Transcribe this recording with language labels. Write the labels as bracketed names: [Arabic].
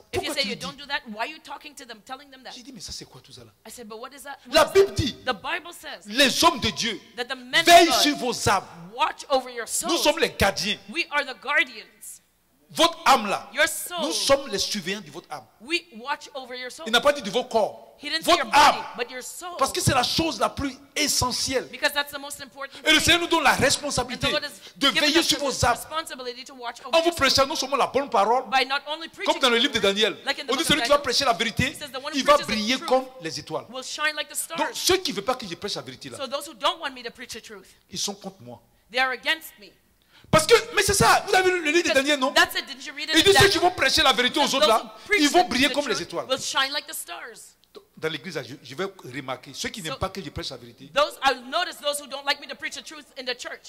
[English] if you say you don't do that, why are you talking to them, telling them that? [French] J'ai dit mais ça c'est quoi tout ça là? [English] I said but what is that? [French] La Bible dit. [English] The Bible says. [French] Les hommes de Dieu. [English] That the men [French] veillent sur vos âmes. [English] Watch over your souls. [French] Nous sommes les gardiens. [English] We are the guardians. [French] Votre âme là. [English] Your soul. [French] Nous sommes les surveillants de votre âme. [English] We watch over your soul. [French] Il n'a pas dit de vos corps. [English] He didn't [French] votre [English] say your [French] âme. [English] Body, but your soul. [French] Parce que c'est la chose la plus essentielle. [English] Because that's the most important [French] et le Seigneur nous donne la responsabilité de veiller sur vos âmes. En vous prêchant non seulement la bonne parole, [English] by not only preaching [French] comme dans le livre de Daniel, [English] like [French] on dit celui qui va prêcher la vérité, il va briller comme les étoiles. [English] Will shine like the stars. [French] Donc ceux qui ne veulent pas que je prêche la vérité, là, [English] so those who don't want me to preach the truth, [French] ils sont contre moi. [English] They are against me. [French] Parce que, mais c'est ça, vous avez lu le livre de Daniel, non? Et tous ceux qui vont prêcher la vérité aux autres, là, ils vont briller comme les étoiles. [English] Will shine like the stars. [French] Dans l'église, je vais remarquer ceux qui n'aiment pas que je prêche la vérité. [English] Those I notice those who don't like me to preach the truth in the church.